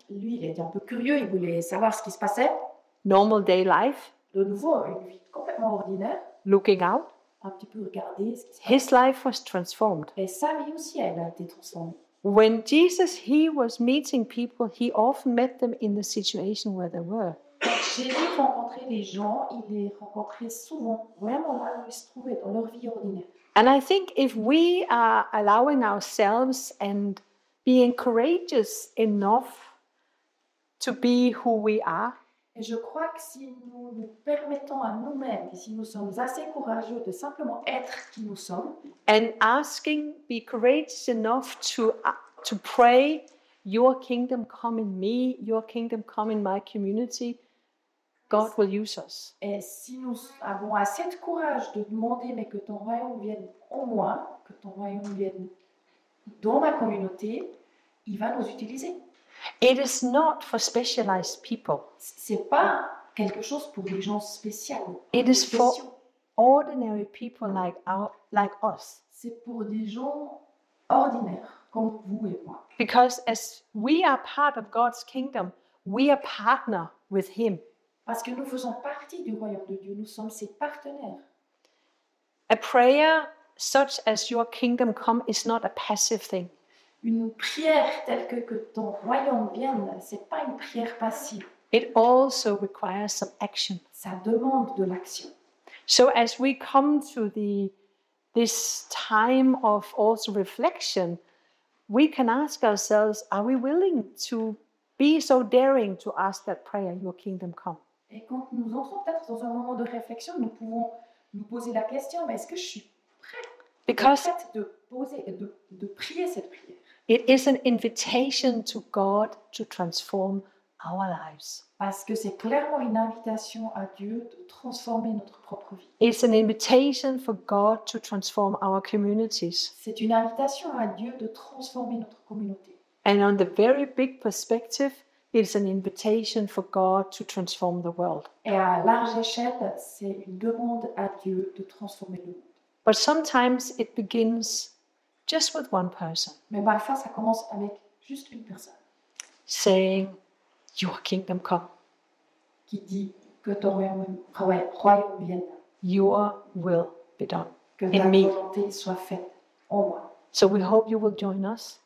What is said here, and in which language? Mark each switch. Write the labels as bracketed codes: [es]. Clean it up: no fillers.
[fr] Lui, il était un peu curieux, il voulait savoir ce qui se passait. [en] Normal day life. [fr] De nouveau, une vie complètement ordinaire. [en] Looking out. [fr] Un petit peu regarder ce qui se passait. [en] His life was transformed. [fr] Et sa vie aussi, elle a été transformée. [en] When Jesus, he was meeting people, he often met them in the situation where they were. [fr] Jésus rencontrait les gens, il les rencontrait souvent, vraiment là où ils se trouvaient, dans leur vie ordinaire. [en] And I think if we are allowing ourselves and being courageous enough to be who we are. [fr] Et je crois que si nous nous permettons à nous-mêmes, et si nous sommes assez courageux de simplement être qui nous sommes. [en] And asking, be courageous enough to pray, your kingdom come in me, your kingdom come in my community. God will use us. [fr] Et si nous avons assez de courage de demander, mais que ton royaume vienne en moi, que ton royaume vienne dans ma communauté, il va nous utiliser. [en] It is not for specialized people. [fr] C'est pas quelque chose pour des gens spéciaux. [en] It is for ordinary people like us. [fr] C'est pour des gens ordinaires comme vous et moi. [en] Because as we are part of God's kingdom, we are partner with Him. [fr] Parce que nous faisons partie du royaume de Dieu, nous sommes ses partenaires. [en] A prayer such as your kingdom come is not a passive thing. [fr] Une prière telle que ton royaume vienne, c'est pas une prière passive. [en] It also requires some action. [fr] Ça demande de l'action. [en] So as we come to this time of also reflection, we can ask ourselves, are we willing to be so daring to ask that prayer, your kingdom come? [fr] Et quand nous entrons peut-être dans un moment de réflexion, nous pouvons nous poser la question, mais est-ce que je suis prête de poser et de prier cette prière? [en] It is an invitation to God to transform our lives. [fr] Parce que c'est clairement une invitation à Dieu de transformer notre propre vie. [en] It's an invitation for God to transform our communities. [fr] C'est une invitation à Dieu de transformer notre communauté. [en] And on the very big perspective, it's an invitation for God to transform the world. [fr] Et à large échelle, c'est une demande à Dieu de transformer le monde. [en] But sometimes it begins just with one person. [fr] Mais parfois ça commence avec juste une personne. [en] Saying, your kingdom come. [fr] Qui dit que ton royaume vienne. [en] Your will be done. [fr] Que ta volonté soit faite en moi. [en] So we hope you will join us.